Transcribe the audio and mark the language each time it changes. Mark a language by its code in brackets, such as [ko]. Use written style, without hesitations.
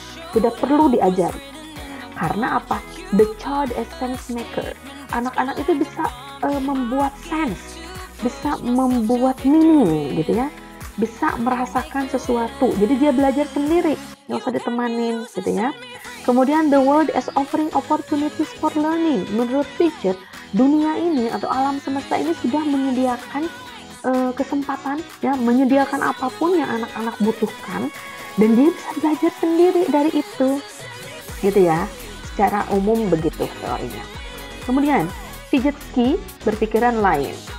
[id] Tidak perlu diajar. Karena apa? [en] The child is sense maker. [id] Anak-anak itu bisa membuat sense, bisa membuat meaning gitu ya. Bisa merasakan sesuatu. Jadi dia belajar sendiri, enggak usah ditemanin gitu ya. [en] Kemudian the world is offering opportunities for learning. [id] Menurut Piaget, dunia ini atau alam semesta ini sudah menyediakan kesempatan ya, menyediakan apapun yang anak-anak butuhkan dan dia bisa belajar sendiri dari itu. Gitu ya. Secara umum begitu teorinya. Kemudian, Vygotsky berpikiran lain.